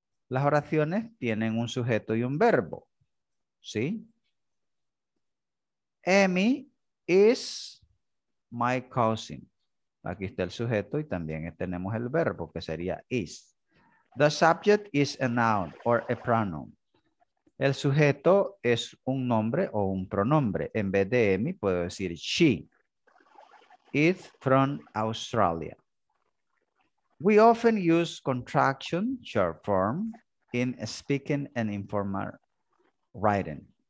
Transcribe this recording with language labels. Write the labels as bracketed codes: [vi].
[es] Las oraciones tienen un sujeto y un verbo. ¿Sí? [en] Amy is my cousin. [es] Aquí está el sujeto y también tenemos el verbo, que sería is. [en] The subject is a noun or a pronoun. [es] El sujeto es un nombre o un pronombre. En vez de Amy, puedo decir she. [en] Is from Australia. We often use contraction, short form, in speaking and informal writing.